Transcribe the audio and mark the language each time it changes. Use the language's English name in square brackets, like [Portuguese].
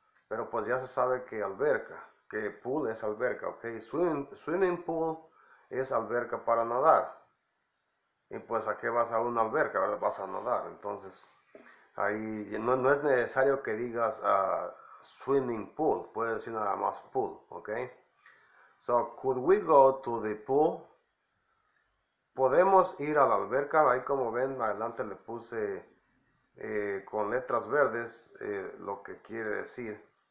[Spanish] Pero pues ya se sabe que alberca, que pool es alberca, ¿ok? Swimming pool es alberca para nadar. Y pues, ¿a qué vas a una alberca, verdad? Vas a nadar. Entonces, ahí no es necesario que digas swimming pool. Puedes decir nada más pool, ¿ok? [English] So, could we go to the pool? [Spanish] Podemos ir a la alberca. Ahí como ven, adelante le puse con letras verdes lo que quiere decir.